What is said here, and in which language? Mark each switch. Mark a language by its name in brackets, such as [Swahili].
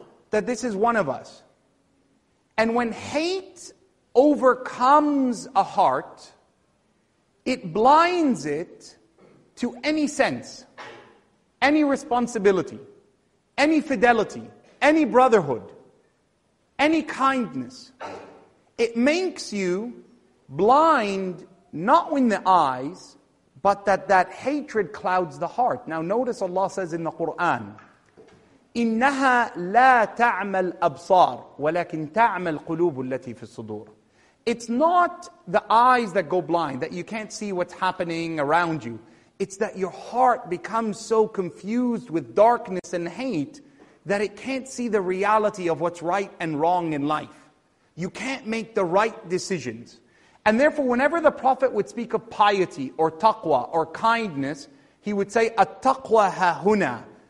[English] That this is one of us. And when hate overcomes a heart, it blinds it to any sense, any responsibility, any fidelity, any brotherhood, any kindness. It makes you blind, not with the eyes, but that hatred clouds the heart. Now notice Allah says in the Quran, [Arabic] إِنَّهَا لَا تَعْمَى الْأَبْصَارِ وَلَكِنْ تَعْمَى الْقُلُوبُ الَّتِي فِي الصُّدُورِ. [English] It's not the eyes that go blind, that you can't see what's happening around you. It's that your heart becomes so confused with darkness and hate that it can't see the reality of what's right and wrong in life. You can't make the right decisions. And therefore, whenever the Prophet would speak of piety or taqwa or kindness, he would say, [Arabic] At-taqwa hahuna.